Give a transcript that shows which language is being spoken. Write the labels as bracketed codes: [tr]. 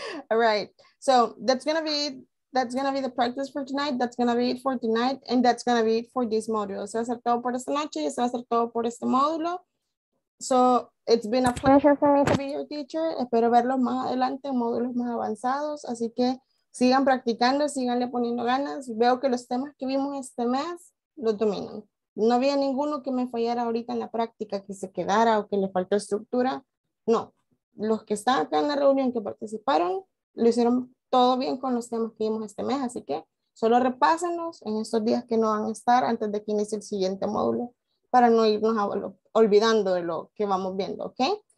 [en] All right, so that's gonna be the practice for tonight. That's gonna be it for tonight, and that's gonna be it for this module. [es] Se va a hacer todo por esta noche y se va a hacer todo por este módulo. So it's been a pleasure for me to be your teacher. Espero verlos más adelante en módulos más avanzados. Así que sigan practicando, siganle poniendo ganas. Veo que los temas que vimos este mes los dominan. No había ninguno que me fallara ahorita en la práctica, que se quedara o que le faltó estructura. No. Los que están acá en la reunión que participaron, lo hicieron todo bien con los temas que vimos este mes, así que solo repásenlos en estos días que no van a estar antes de que inicie el siguiente módulo para no irnos olvidando de lo que vamos viendo, ¿ok?